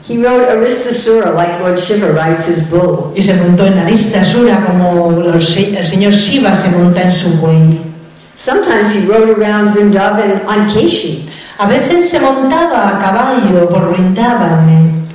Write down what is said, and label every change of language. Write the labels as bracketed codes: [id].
[en] He rode Aristasura like Lord Shiva rides his bull. [es] Y se montó en Aristasura como el señor Shiva se monta en su buey. [en] Sometimes he rode around Vrindavan on Keshi. [es] A veces se montaba a caballo por Vrindavan.